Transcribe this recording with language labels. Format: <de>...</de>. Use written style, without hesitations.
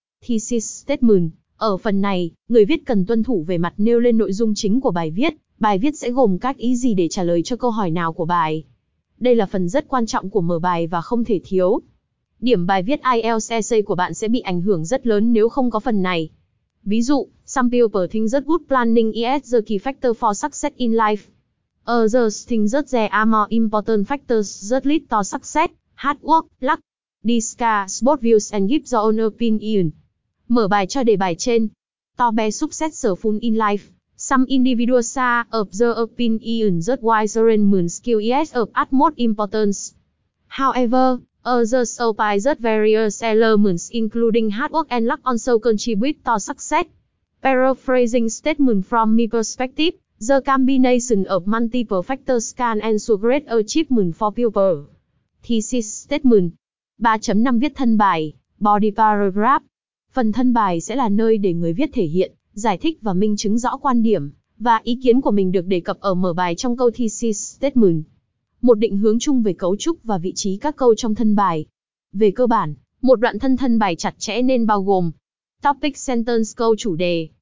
<vi>Thesis Statement. Ở phần này, người viết cần tuân thủ về mặt nêu lên nội dung chính của bài viết. Bài viết sẽ gồm các ý gì để trả lời cho câu hỏi nào của bài. Đây là phần rất quan trọng của mở bài và không thể thiếu. Điểm bài viết IELTS essay của bạn sẽ bị ảnh hưởng rất lớn nếu không có phần này. Ví dụ,</vi> <en>some people think that good planning is the key factor for success in life. Others think that there are more important factors that lead to success, hard work, luck. Discuss both views and give your own opinion.</en> <vi>Mở bài cho đề bài trên.</vi> <en>To be successful in life. Some individuals are of the opinion that wiser and moon skill is of utmost importance. However, others opine that various elements including hard work and luck also contribute to success. Paraphrasing statement from my perspective, the combination of multiple factors can ensure great achievement for people. Thesis statement. 3.5</en> <vi>viết thân bài.</vi> <en>Body paragraph.</en> <vi>Phần thân bài sẽ là nơi để người viết thể hiện, giải thích và minh chứng rõ quan điểm và ý kiến của mình được đề cập ở mở bài trong câu thesis statement. Một định hướng chung về cấu trúc và vị trí các câu trong thân bài. Về cơ bản, một đoạn thân bài chặt chẽ nên bao gồm topic sentence câu chủ đề.</vi>